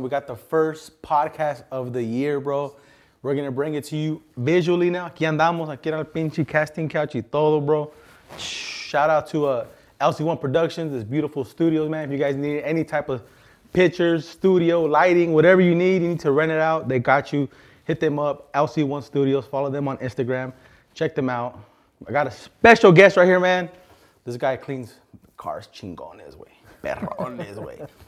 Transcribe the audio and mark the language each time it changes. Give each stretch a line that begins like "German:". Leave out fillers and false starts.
English: We got the first podcast of the year, bro. We're going to bring it to you visually now.
Spanish: Aquí andamos, aquí en el pinche casting couch y todo, bro.
English: Shout out to LC1 Productions, this beautiful studio, man. If you guys need any type of pictures, studio, lighting, whatever you need to rent it out, they got you. Hit them up, LC1 Studios. Follow them on Instagram. Check them out. I got a special guest right here, man. This guy cleans cars chingones, way. Perro on his way.